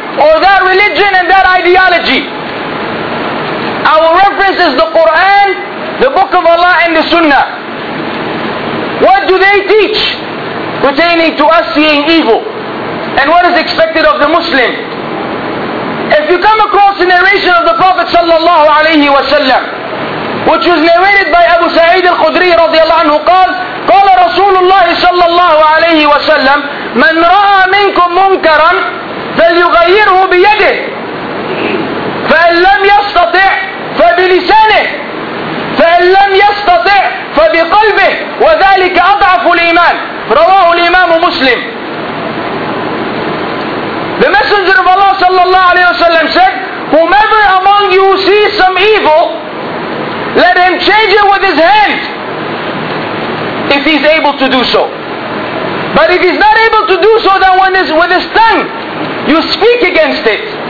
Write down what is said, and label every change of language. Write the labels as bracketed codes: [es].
[en] or that religion and that ideology. Our reference is the Quran, the Book of Allah, and the Sunnah. What do they teach pertaining to us seeing evil? And what is expected of the Muslim? If you come across the narration of the Prophet sallallahu alayhi wa sallam, which was narrated by Abu Sa'id al-Khudri radiallahu anhu, [ar] قال رسول الله صلى الله عليه وسلم من رأى منكم منكرا فليغيره بيده فإن لم يستطع فبلسانه فإن لم يستطع فبقلبه وذلك أضعف الإيمان. رواه الإمام مسلم. [en] The Messenger of Allah صلى الله عليه وسلم said, whomever among you sees some evil, let him change it with his hand if he's able to do so. But if he's not able to do so, then with his tongue you speak against it.